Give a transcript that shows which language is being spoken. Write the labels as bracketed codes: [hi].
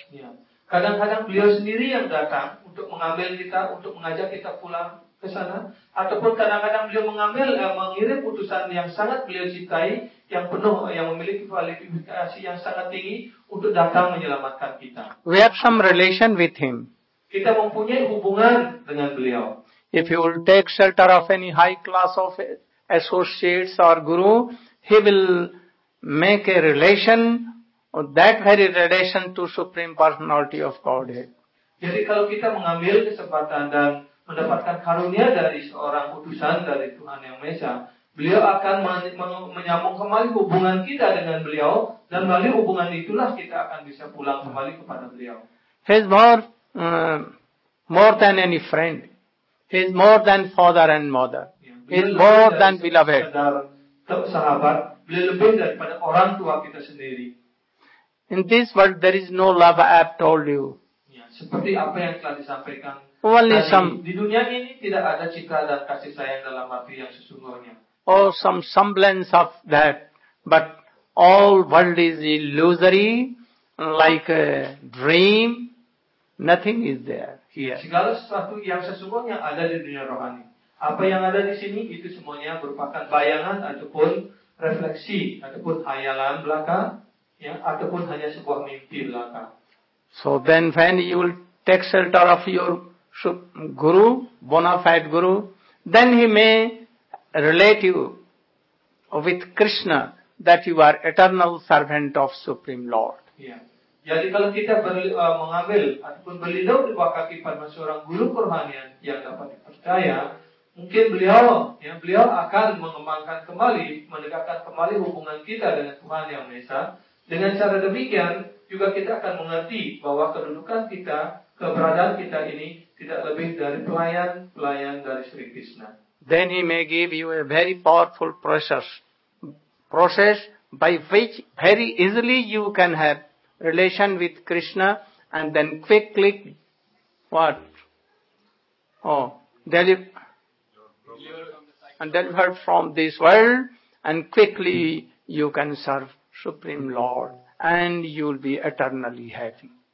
[id] Ya. Kadang-kadang beliau sendiri yang datang untuk mengambil kita, untuk mengajak kita pulang ke sana. Ataupun kadang-kadang beliau mengirim utusan yang sangat beliau cintai, yang penuh, yang memiliki kualifikasi yang sangat tinggi untuk datang menyelamatkan kita. [en] We have some relation with him. [id] Kita mempunyai hubungan dengan beliau. [en] If he will take shelter of any high class of associates or guru, he will make a relation, that very relation to Supreme Personality of Godhead. [id] Jadi kalau kita mengambil kesempatan dan mendapatkan karunia dari seorang utusan dari Tuhan Yang Maha Esa, beliau akan menyambung kembali hubungan kita dengan beliau, dan melalui hubungan itulah kita akan bisa pulang kembali kepada beliau. [en] He is more than any friend. He is more than father and mother. He is more than beloved. [id] Sahabat, beliau lebih daripada orang tua kita sendiri. [en] In this world, there is no love, I have told you. [id] Seperti apa yang telah disampaikan. [en] Only some. [id] Di dunia ini tidak ada cinta dan kasih sayang dalam arti yang sesungguhnya. [en] Oh, some semblance of that. But all world is illusory, like a dream. Nothing is there. Here. [id] Segala sesuatu yang sesungguhnya ada di dunia rohani. Apa yang ada di sini itu semuanya merupakan bayangan ataupun refleksi ataupun hayalan belaka, ya, ataupun hanya sebuah mimpi belaka. [en] So then when you will take shelter of your guru, bona fide guru, then he may relate you with Krishna that you are eternal servant of Supreme Lord. [id] Yeah. Jadi kalau kita mengambil ataupun berlindung di bawah kaki Padma seorang guru kurmanian yang dapat dipercaya, mungkin beliau akan mengembangkan kembali, mendekatkan kembali hubungan kita dengan Tuhan Yang Maha Esa. Dengan cara demikian, juga kita akan mengerti bahwa kedudukan kita, keberadaan kita ini tidak lebih dari pelayan-pelayan dari Sri Krishna. [en] Then he may give you a very powerful process by which very easily you can have relation with Krishna and then quickly delivered from this world and quickly you can serve Supreme Lord and you will be eternally happy.